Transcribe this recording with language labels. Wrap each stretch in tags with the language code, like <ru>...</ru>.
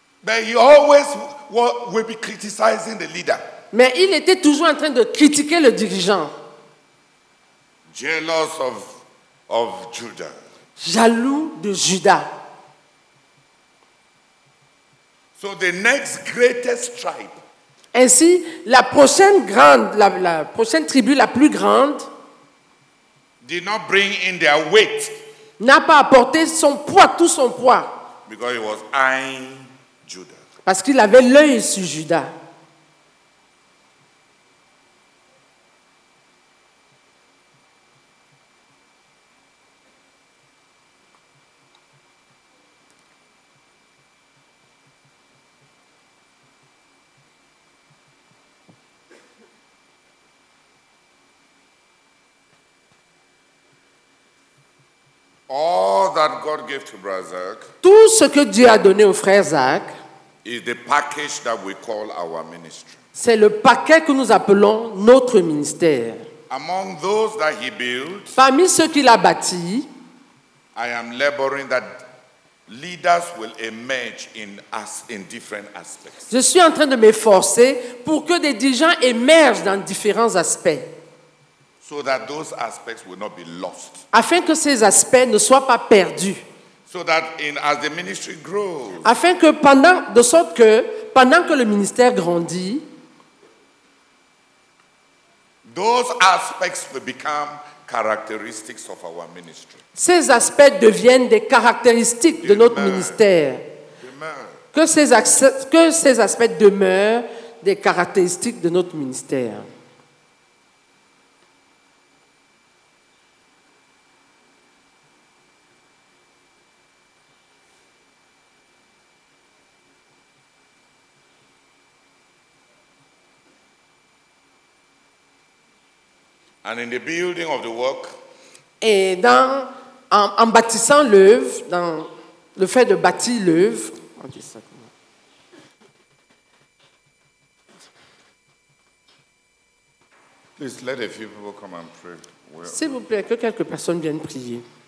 <en>But he always will be criticizing the leader.</en> <fr>Mais il était toujours en train de critiquer le dirigeant.</fr> <en>Jealous of Judah.</en> <fr>Jaloux de Judas.</fr> <en>So the next greatest tribe.</en> <fr>Ainsi, la prochaine grande, la prochaine tribu la plus grande</fr> <en>did not bring in their weight.</en> <fr>N'a pas apporté son poids, tout son poids.</fr> <en>Because he was eyeing Judah.</en> <fr>Parce qu'il avait l'œil sur Judas.</fr> <en>All that God gave to Brother Zach,</en> <fr>tout ce que Dieu a donné au frère Zach,</fr> <en>is the package that we call our ministry.</en> <fr>C'est le paquet que nous appelons notre ministère.</fr> <en>Among those that he built,</en> <fr>parmi ceux qu'il a bâti,</fr> <en>I am laboring that leaders will emerge in us in different aspects.</en> <fr>Je suis en train de m'efforcer pour que des dirigeants émergent dans différents aspects.</fr> <en>So that those aspects will not be lost.</en> <fr>Afin que ces aspects ne soient pas perdus.</fr> <en>So that in, as the ministry grows.</en> <fr>Afin que pendant, de sorte que pendant que le ministère grandit,</fr> <en>those aspects will become characteristics of our ministry.</en> <fr>Ces aspects deviennent des caractéristiques de notre ministère. Que ces aspects demeurent des caractéristiques de notre ministère.</fr> <en>And in the building of the work,</en> <fr>et dans, en bâtissant l'œuvre, dans le fait de bâtir l'œuvre,</fr> <en>please let a few people come and pray.</en> <fr>S'il vous plaît, que quelques personnes viennent prier.</fr>